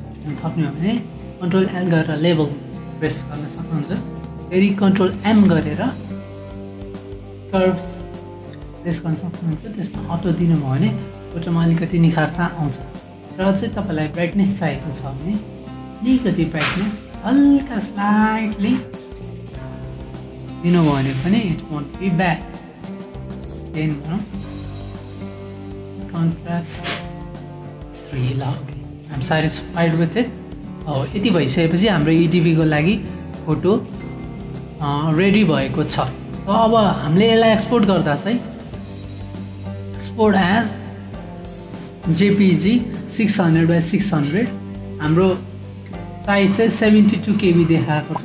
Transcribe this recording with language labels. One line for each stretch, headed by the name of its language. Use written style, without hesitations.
Nepali: गर्न थप्नुभयो भने control L गरेर लेबल प्रेस गर्न सक्नुहुन्छ, फेरि कन्ट्रोल एम गरेर कर्भ्स प्रेस गर्न सक्नुहुन्छ। त्यसमा अटो दिनुभयो भने फोटोमा अलिकति निखारता आउँछ। र अझै तपाईँलाई ब्राइटनेस चाहिएको छ भने अलिकति ब्राइटनेस हल्का स्लाइटली दिनुभयो भने पनि
English: It won't be bad. Then
Nepali: भनौँ
English: Contrast three ल okay I'm satisfied with it.
Nepali: हो यति भइसकेपछि हाम्रो इडिभीको लागि फोटो रेडी भएको छ। अब हामीले यसलाई एक्सपोर्ट गर्दा चाहिँ एक्सपोर्ट एज जेपिजी 600x600 हाम्रो साइज चाहिँ 72 KB देखाएको छ।